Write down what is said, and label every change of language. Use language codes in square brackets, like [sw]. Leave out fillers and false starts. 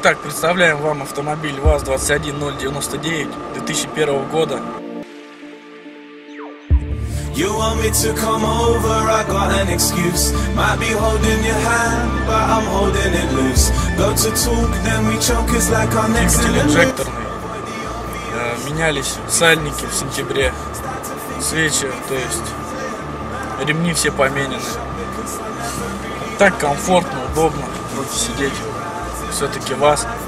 [ru] Итак, представляем вам автомобиль ВАЗ-21099 2001 года. [en] You want me to come over, I got an excuse. Might be holding your hand, but I'm holding it loose. Go to talk, then we choke, it's like our next in the loop. [ru] Инжекторные. Менялись сальники в сентябре. Свечи, то есть ремни все поменены. Так комфортно, удобно будет сидеть. Все-таки вас.